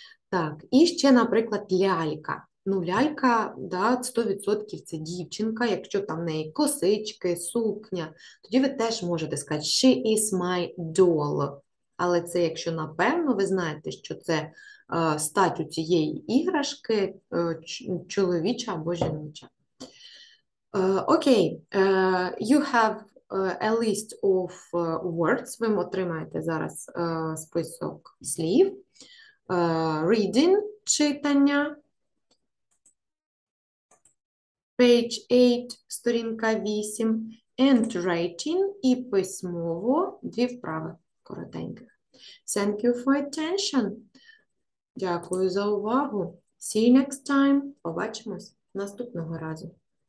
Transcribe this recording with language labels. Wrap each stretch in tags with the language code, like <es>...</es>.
<uk>Так, і ще, наприклад, лялька. Ну, лялька, да, 100% це дівчинка, якщо там в неї косички, сукня. Тоді ви теж можете сказати</uk> <en>«She is my doll».</en> <uk>Але це, якщо напевно, ви знаєте, що це стать у цієї іграшки чоловіча або жіноча.</uk> <en>Окей, you have a list of words.</en> <uk>Ви отримаєте зараз список слів.</uk> <en>Reading,</en> <uk>читання.</uk> <en>Page 8,</en> <uk>сторінка 8.</uk> <en>And writing,</en> <uk>і письмово, дві вправи коротеньких.</uk> <en>Thank you for attention.</en> <uk>Дякую за увагу.</uk> <en>See you next time.</en> <uk>Побачимось наступного разу.</uk>